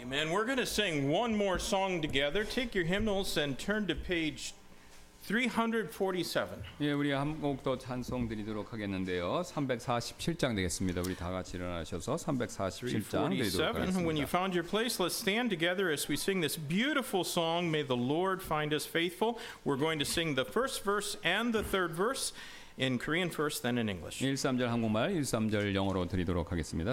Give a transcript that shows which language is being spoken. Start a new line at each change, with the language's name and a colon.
English: We're going to sing one more song together. Take your hymnals and turn to page 347.
Korean: 예, 우리 한 곡 더 찬송 드리도록 하겠는데요. 347장 되겠습니다. 우리 다 같이 일어나셔서 347장 드리도록 하겠습니다.
English: When you found your place, let's stand together as we sing this beautiful song, May the Lord Find Us Faithful. We're going to sing the first verse and the third verse in Korean first, then in English.
Korean: 13절 한국말, 13절 영어로 드리도록 하겠습니다.